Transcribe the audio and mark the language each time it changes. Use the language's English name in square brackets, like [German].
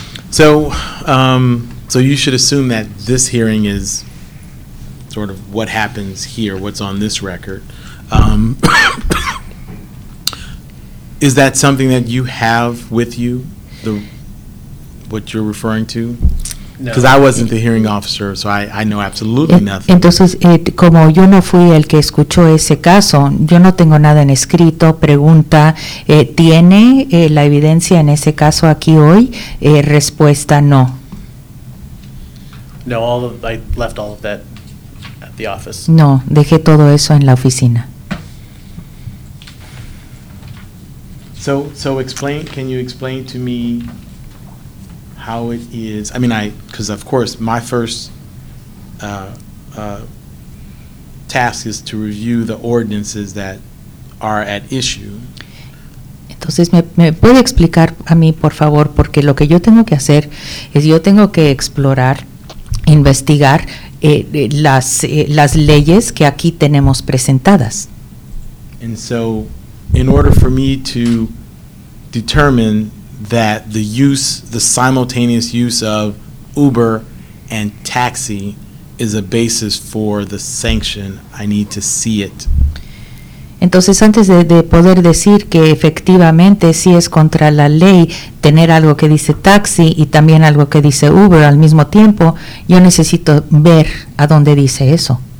[English] So you should assume that this hearing is sort of what happens here, what's on this record. is that something that you have with you, what you're referring to? No. Because I wasn't the hearing officer, so I know absolutely nothing. [Spanish] Entonces, como yo no fui el que escuchó ese caso, yo no tengo nada en escrito. Pregunta, ¿tiene la evidencia en ese caso aquí hoy? Respuesta, no. [English] No, I left all of that at the office. [Spanish] No, dejé todo eso en la oficina. [English] So explain, can you explain to me how it is? I mean, because of course, my first task is to review the ordinances that are at issue. [Spanish] Entonces, ¿me puede explicar a mí, por favor? Porque lo que yo tengo que hacer es yo tengo que explorar, investigar las leyes que aquí tenemos presentadas. [English] And so, in order for me to determine that the simultaneous use of Uber and taxi is a basis for the sanction, I need to see it. [Spanish] Entonces, antes de poder decir que efectivamente sí es contra la ley tener algo que dice taxi y también algo que dice Uber al mismo tiempo, yo necesito ver a dónde dice eso.